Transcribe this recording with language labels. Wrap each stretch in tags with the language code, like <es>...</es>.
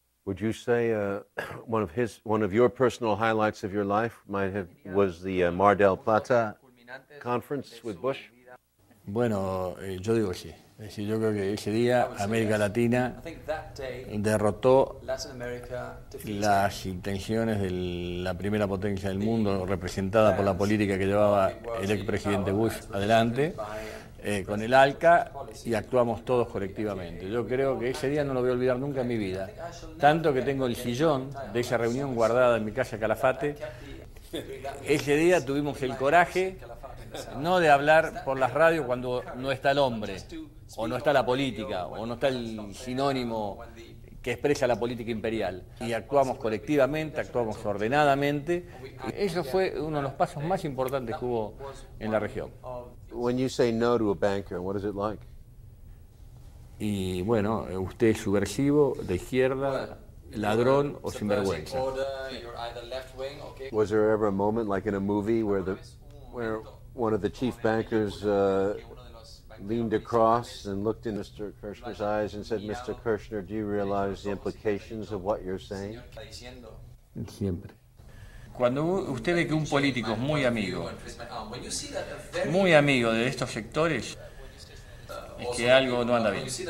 <en>Would you say one of your personal highlights of your life was the Mar del Plata conference with Bush?</en> <es>Bueno, yo digo sí. Es decir, yo creo que ese día América Latina derrotó las intenciones de la primera potencia del mundo, representada por la política que llevaba el expresidente Bush adelante. Con el ALCA y actuamos todos colectivamente. Yo creo que ese día no lo voy a olvidar nunca en mi vida. Tanto que tengo el sillón de esa reunión guardada en mi casa Calafate. Ese día tuvimos el coraje no de hablar por las radios cuando no está el hombre, o no está la política, o no está el sinónimo que expresa la política imperial. Y actuamos colectivamente, actuamos ordenadamente. Eso fue uno de los pasos más importantes que hubo en la región.</es> <en>When you say no to a banker, what is it like?</en> <es>Y bueno, usted es subversivo, de izquierda, ladrón o sinvergüenza.</es> <en>Was there ever a moment like in a movie where one of the chief bankers leaned across and looked in Mr. Kirchner's eyes and said, Mr. Kirchner, do you realize the implications of what you're saying?</en> <es>Siempre. Cuando usted ve que un político es muy amigo de estos sectores, es que algo no anda bien.</es>